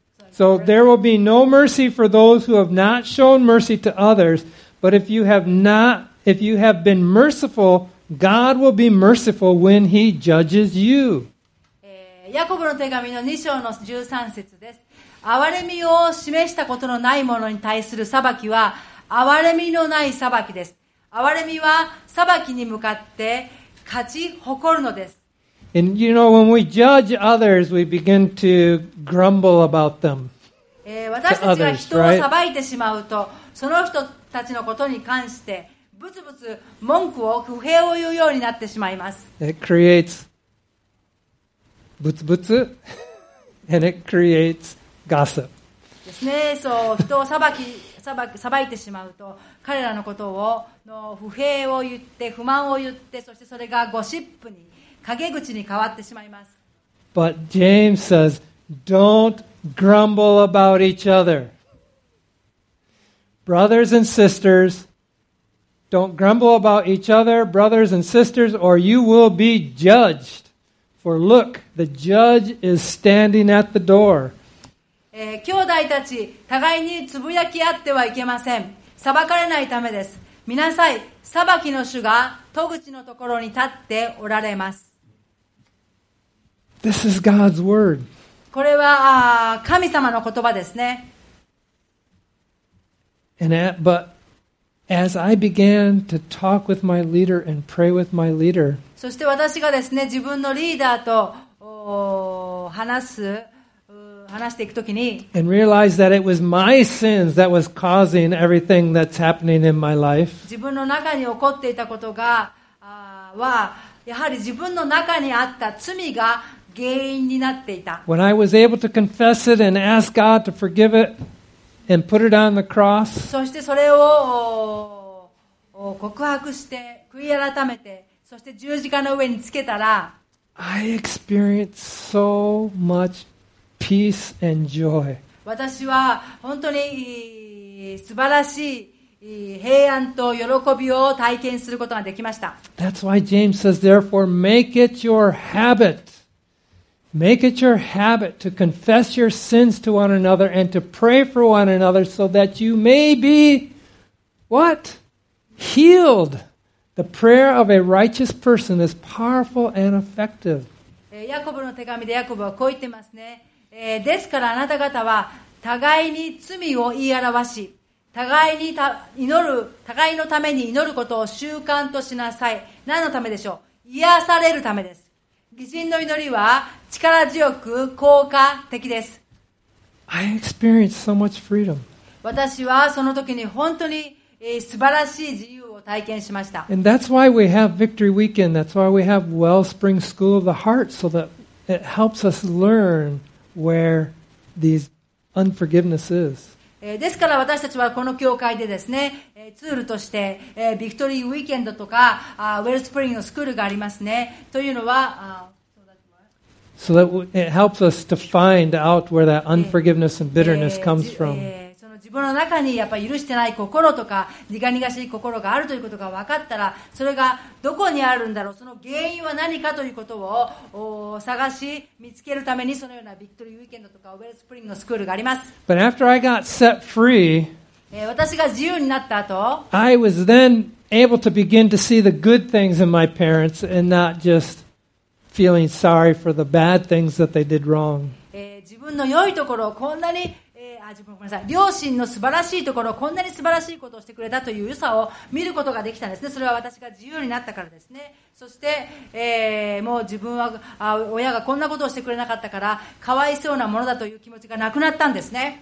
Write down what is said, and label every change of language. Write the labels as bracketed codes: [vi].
[en] So there will be no mercy for those who have not shown mercy to others, but if you have been merciful, God will be merciful when he judges you. [ja] ヤコブの手紙の2章の13節です。憐れみを示したことのないものに対する裁きは憐れみのない裁きです。憐れみは裁きに向かって勝ち誇るのです。 [en] And you know, when we judge others, we begin to grumble about them. [ja] 私たちが人を裁いてしまうと、その人たちのことに関してブツブツ文句を不平を言うようになってしまいます。 [en] It createsブツブツ and it creates gossip. [ja] ですね、そう、人を裁いてしまうと、彼らのことをの不平を言って不満を言って、そしてそれがゴシップに、陰口に変わってしまいます。 [en] But James says, don't grumble about each other. Brothers and sisters, don't grumble about each other, brothers and sisters, or you will be judged.For look, the judge is standing at the door. [ja] 兄弟たち互いにつぶやき合ってはいけません。裁かれないためです。見なさい、裁きの主が戸口のところに立っておられます。 [en] This is God's word. [ja] これは神様の言葉ですね。 [en] But as I began to talk with my leader and pray with my leader, [ja] そして私がですね、自分のリーダーと話していくときに、 [en] and realize that it was my sins that was causing everything that's happening in my life. [ja] 自分の中に起こっていたことがはやはり自分の中にあった罪が原因になっていた。 [en] When I was able to confess it and ask God to forgive it and put it on the cross, [ja] そしてそれを告白して悔い改めて、そして十字架の上につけたら、 [en] I experienced so much peace and joy. [ja] 私は本当に素晴らしい平安と喜びを体験することができました。 [en] That's why James says, therefore, make it your habit. Make it your habit to confess your sins to one another and to pray for one another so that you may be what? Healed. The prayer of a righteous person is powerful and effective. [ja] ヤコブの手紙でヤコブはこう言ってますね。ですからあなた方は互いに罪を言い表し、互いに祈る、互いのために祈ることを習慣としなさい。何のためでしょう？癒されるためです。義人の祈りは力強く効果的です。 [en] I experienced so much freedom. [ja] 私はその時に本当に素晴らしい自由を体験しました。 [en] And that's why we have Victory Weekend. That's why we have Wellspring School of the Heart, so that it helps us learn. Where these unforgiveness is. [ja] ですから私たちはこの教会でですね、ツールとしてビクトリーウィーケンドとかウェルスプリングのスクールがありますね。というのは、 [en] So that it helps us to find out where that unforgiveness and bitterness comes from. [ja] その自分の中にやっぱ許してない心とか苦々しい心があるということが分かったら、それがどこにあるんだろう、その原因は何かということを探し見つけるために、そのようなビクトリーウィーケンドとかウェルスプリングのスクールがあります。 [en] But after I got set free, [ja] 私が自由になった後、 [en] I was then able to begin to see the good things in my parents and not just feeling sorry for the bad things that they did wrong. [ja] 自分の良いところをこんなに、両親の素晴らしいところ、こんなに素晴らしいことをしてくれたという良さを見ることができたんですね。それは私が自由になったからですね。そして、もう自分は親がこんなことをしてくれなかったから、かわいそうなものだという気持ちがなくなったんですね。